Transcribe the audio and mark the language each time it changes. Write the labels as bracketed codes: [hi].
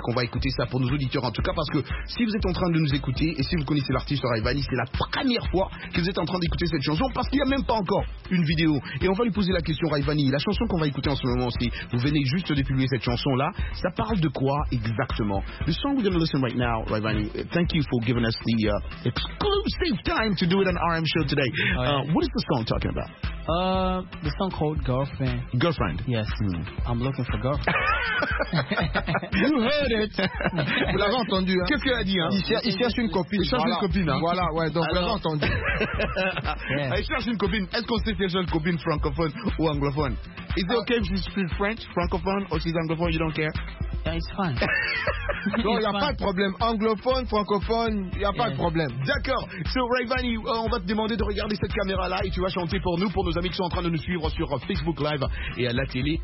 [fr] On va écouter ça pour nos auditeurs, en tout cas, parce que si vous êtes en train de nous écouter et si vous connaissez l'artiste Ravani, c'est la première fois que vous êtes en train d'écouter cette chanson, parce qu'il n'y a même pas encore une vidéo. Et on va lui poser la question, Ravani. La chanson qu'on va écouter en ce moment, si vous venez juste de publier cette chanson là, ça parle de quoi exactement? [en] The song we're going to listen right now, Ravani, thank you for giving us the exclusive time to do it on RM Show today. What is the song talking about? The song called Girlfriend. Girlfriend? Yes. I'm looking for girlfriend. You heard it. [fr] Vous l'avez entendu, hein? Qu'est-ce qu'il a dit, hein? Il cherche une copine. Il cherche une copine, hein? Voilà, ouais, donc vous l'avez entendu. Il cherche une copine. Est-ce qu'on sait si elle cherche une copine francophone ou anglophone? [en] Is it okay if she speaks French, francophone, or she's anglophone, you don't care? Yeah, it's fine. [fr] Non, il n'y a pas de problème. Anglophone, francophone, il n'y a pas de problème. D'accord. So, Ravani, on va te demander de regarder cette caméra-là et tu vas chanter pour nous, pour nos amis qui sont en train de nous suivre sur Facebook Live et à la télé.